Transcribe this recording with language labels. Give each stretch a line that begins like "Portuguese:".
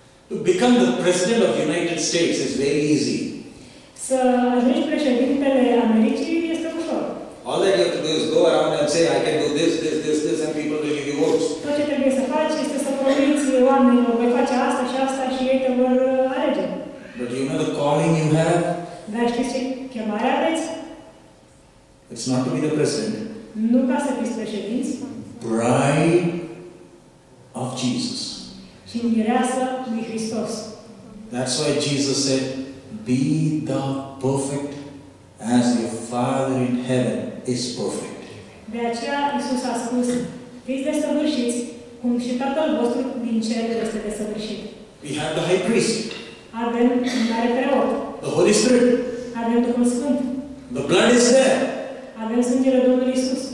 English: To become the president of the United States is very easy.
Romanian: Să ajungi președintele Americii este ușor.
English: All that you have to do is go around and say, I can do this, this, this, this, and people will give you votes.
Romanian: Tot ce trebuie să faci este să promiți oamenilor, voi face asta și asta și ei te vor alege.
English: But you know the calling you have?
Romanian: Dar știți ce chemare aveți?
English: It's not to be the president.
Romanian: Nu ca să fiți președinți.
English: Bride of Jesus.
Romanian: Și mireasă lui Hristos.
English: That's why Jesus said, be thou perfect as your Father in heaven is perfect.
Romanian: De aceea Iisus a spus, fiți desăvârșiți, cum și Tatăl vostru din cer este desăvârșit.
English: We have the High Priest.
Romanian: Avem un mare preot.
English: The Holy Spirit.
Romanian: Avem Duhul Sfânt.
English: The blood is there.
Romanian: Avem sângele Domnului Iisus.